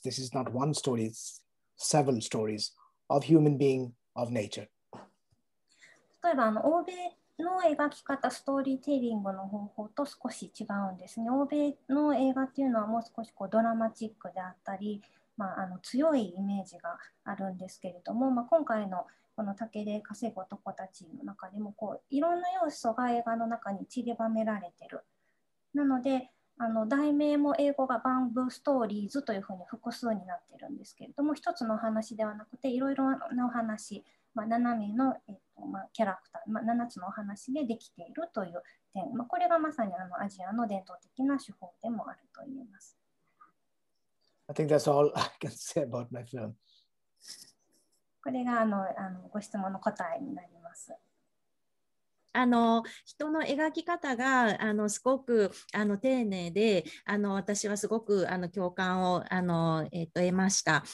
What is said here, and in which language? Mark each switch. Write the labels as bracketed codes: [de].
[en] This is not one story, it's several stories of human being, of nature. [ja] 例えばあの欧米の描き方ストーリーテリングの方法と少し違うんですね。欧米の映画っていうのはもう少しこうドラマチックであったり、まあ、あの強いイメージがあるんですけれども、まあ、今回のこの竹で稼ぐ男たちの中でもこういろんな要素が映画の中に散りばめられてる。なのであの題名も英語がバンブーストーリーズというふうに複数になってるんですけれども一つの話ではなくていろいろなお話まあ、7名の、まあ、キャラクター、まあ、7つのお話でできているという点、まあ、これがまさにあのアジアの伝統的な手法でもあると言えます。 [en] I think that's all I can say about my film. [ja] これがあのご質問の答えになります。あの人の描き方がすごく丁寧で私はすごく共感を得ました。